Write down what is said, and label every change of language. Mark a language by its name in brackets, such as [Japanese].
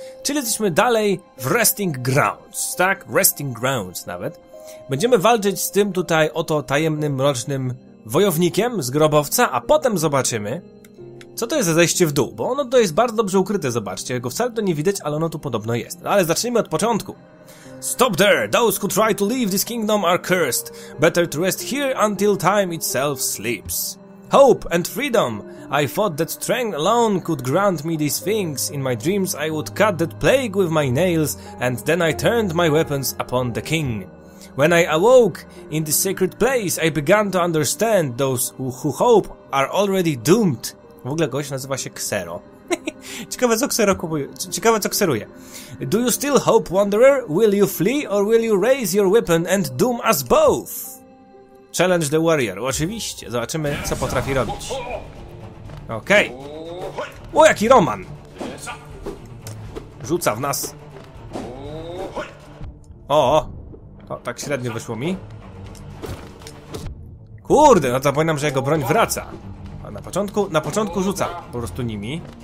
[Polish] Czyli jesteśmy dalej w Resting Grounds, tak? Resting Grounds nawet. Będziemy walczyć z tym tutaj oto tajemnym, mrocznym wojownikiem z grobowca, a potem zobaczymy, co to jest za zejście w dół, bo ono to jest bardzo dobrze ukryte, zobaczcie, go wcale to nie widać, ale ono tu podobno jest. Ale zacznijmy od początku. [English] Stop there! Those who try to leave this kingdom are cursed. Better to rest here until time itself sleeps. Hope and freedom! I thought that strength alone could grant me these things. In my dreams I would cut that plague with my nails, and then I turned my weapons upon the king. When I awoke in this sacred place, I began to understand those who hope are already doomed. [Polish] W ogóle gość nazywa się Xero. Ciekawe co Xero kupuje. Ciekawe co Xeruje. [English] Do you still hope, wanderer? Will you flee or will you raise your weapon and doom us both? Challenge the warrior. [Polish] Oczywiście. Zobaczymy co potrafi robić. Okej. Okay. O, jaki Roman. Rzuca w nas. O, to tak średnio wyszło mi. Kurde, no to zapominam, że jego broń wraca. Na początku rzuca po prostu nimi.